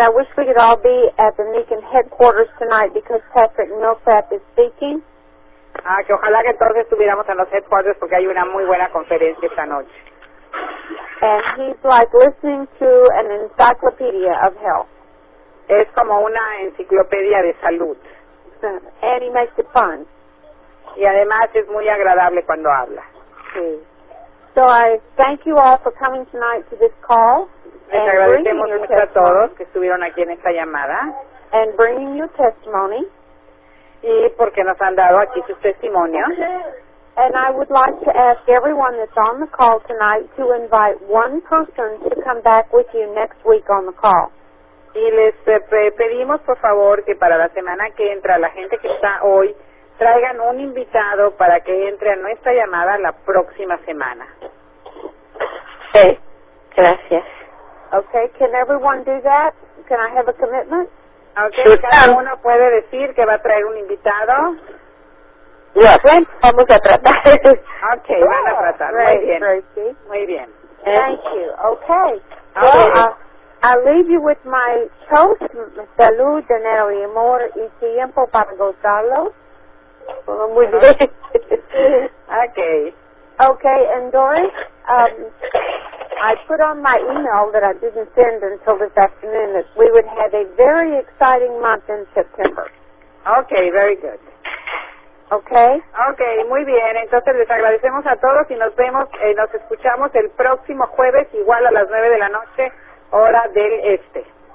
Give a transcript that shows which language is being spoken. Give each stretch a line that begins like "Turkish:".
English: Okay, I said I wish we could all be at the Meekin headquarters tonight because Patrick Millsap is speaking.
Spanish: Ah, que ojalá que todos estuviéramos en los headquarters porque hay una muy buena conferencia esta noche.
English: And he's like listening to an encyclopedia of health.
Spanish: Es como una enciclopedia de salud.
English: And he makes it fun.
Spanish: Y además es muy agradable cuando habla. Sí.
English: So I thank you all for coming tonight to this call.
Spanish: Les agradecemos mucho a todos que estuvieron aquí en esta llamada.
English: And bringing your testimony.
Spanish: Y porque nos han dado aquí sus testimonios.
English: And I would like to ask everyone that's on the call tonight to invite one person to come back with you next week on the call.
Spanish: Y les pedimos por favor que para la semana que entra la gente que está hoy traigan un invitado para que entre a nuestra llamada la próxima semana. Sí, gracias.
English: Okay, can everyone do that? Can I have a commitment? Okay, sure.
Spanish: ¿Cada uno puede decir que va a traer un invitado? Sí, yes. Bueno, vamos a tratar. Okay, van a tratar. Muy bien. Muy bien.
English: Thank you. Okay. I leave you with my toast,
Spanish: salud, dinero y amor y tiempo para gozarlo. Muy bien.
English: Okay. Okay, and Doris, I put on my email that I didn't send until this afternoon that we would have a very exciting month in September. Okay, very good. Okay.
Spanish: Okay, muy bien. Entonces les agradecemos a todos y nos vemos, nos escuchamos el próximo jueves igual a las 9 de la noche, hora del este.